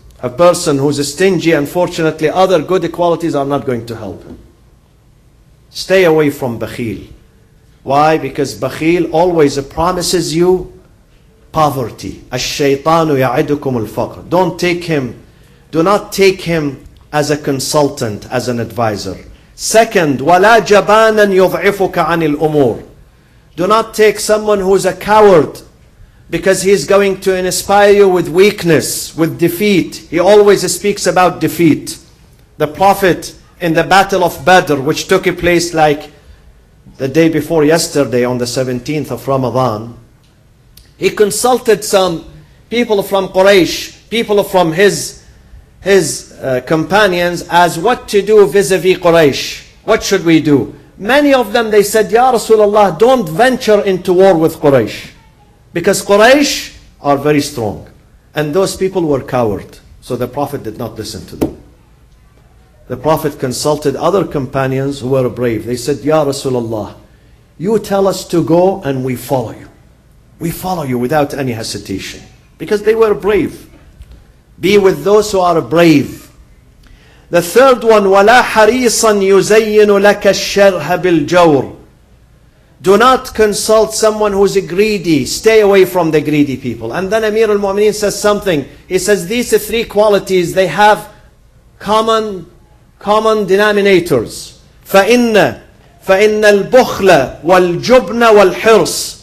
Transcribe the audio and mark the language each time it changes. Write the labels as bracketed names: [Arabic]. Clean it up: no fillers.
[English] A person who's stingy, unfortunately, other good qualities are not going to help him. Stay away from bakhil. Why? Because bakhil always promises you poverty. [Arabic] الشَّيْطَانُ يَعِدُكُمُ الْفَقْرِ. [English] Don't take him, do not take him as a consultant, as an advisor. [Arabic] Second, وَلَا جَبَانًا يُضْعِفُكَ عَنِ الْأُمُورِ. [English] Do not take someone who's a coward, because he's going to inspire you with weakness, with defeat. He always speaks about defeat. The Prophet in the Battle of Badr, which took place like the day before yesterday on the 17th of Ramadan, he consulted some people from Quraysh, people from his companions, as what to do vis-a-vis Quraysh. What should we do? Many of them, they said, Ya Rasulullah, don't venture into war with Quraysh. Because Quraysh are very strong. And those people were coward. So the Prophet did not listen to them. The Prophet consulted other companions who were brave. They said, Ya Rasulullah, you tell us to go and we follow you. We follow you without any hesitation. Because they were brave. Be with those who are brave. The third one, [Arabic] وَلَا حَرِيصًا يُزَيِّنُ لَكَ الشَّرْحَ بِالْجَوْرِ. [English] Do not consult someone who is greedy. Stay away from the greedy people. And then Amir al-Mu'mineen says something. He says these three qualities, they have common denominators. [Arabic] فَإِنَّ الْبُخْلَ وَالْجُبْنَ وَالْحِرْصِ.